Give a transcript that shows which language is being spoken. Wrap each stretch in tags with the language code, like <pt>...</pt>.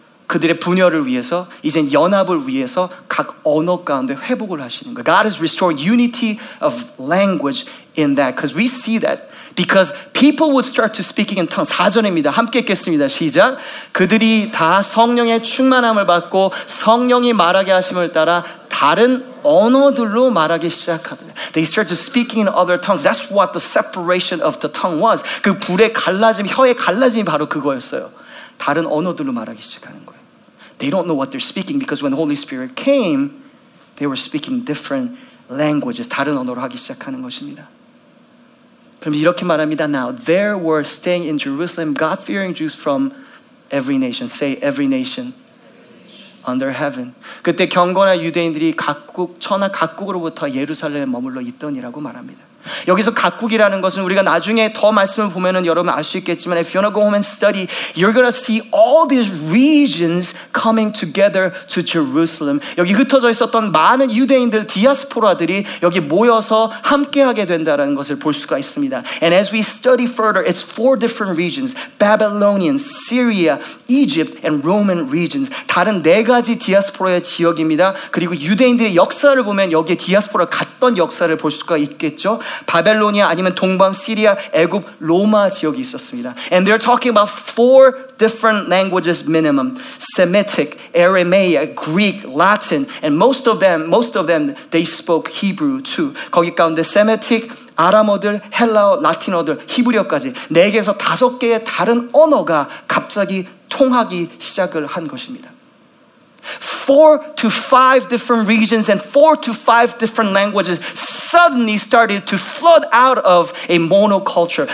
<ko>그들의 분열을 위해서 이제 연합을 위해서 각 언어 가운데 회복을 하시는 거예요.</ko> <en>God is restoring unity of language in that because we see that because people would start to speaking in tongues.</en> <ko>4절입니다. 함께 읽겠습니다. 시작. 그들이 다 성령의 충만함을 받고 성령이 말하게 하심을 따라 다른 언어들로 말하기 시작하더라.</ko> <en>They start to speaking in other tongues. That's what the separation of the tongue was.</en> <ko>그 불의 갈라짐, 혀의 갈라짐이 바로 그거였어요. 다른 언어들로 말하기 시작하는 거예요.</ko> <en>They don't know what they're speaking because when the Holy Spirit came, they were speaking different languages.</en> <ko>다른 언어로 하기 시작하는 것입니다. 그럼 이렇게 말합니다.</ko> <en>Now, there were staying in Jerusalem God-fearing Jews from every nation. Say, every nation. Under heaven.</en> <ko>그때 경건한 유대인들이 각국, 천하 각국으로부터 예루살렘에 머물러 있던이라고 말합니다. 여기서 각국이라는 것은 우리가 나중에 더 말씀을 보면은 여러분 알 수 있겠지만</ko> <en>if you're gonna go home and study, you're gonna see all these regions coming together to Jerusalem.</en> <ko>여기 흩어져 있었던 많은 유대인들, 디아스포라들이 여기 모여서 함께하게 된다는 것을 볼 수가 있습니다.</ko> <en>And as we study further, it's four different regions. Babylonian, Syria, Egypt, and Roman regions.</en> <ko>다른 네 가지 디아스포라의 지역입니다. 그리고 유대인들의 역사를 보면 여기에 디아스포라 갔던 역사를 볼 수가 있겠죠. 바벨로니아 아니면 동방 시리아 애굽 로마 지역이 있었습니다.</ko> <en>And they're talking about four different languages minimum: Semitic, Aramaic, Greek, Latin, and most of them they spoke Hebrew too.</en> <ko>거기 가운데 Semitic, 아람어들, 헬라어, 라틴어들, 히브리어까지 네 개에서 다섯 개의 다른 언어가 갑자기 통하기 시작을 한 것입니다.</ko> <en>Four to five different regions and four to five different languages suddenly started to flood out of a monoculture.</en>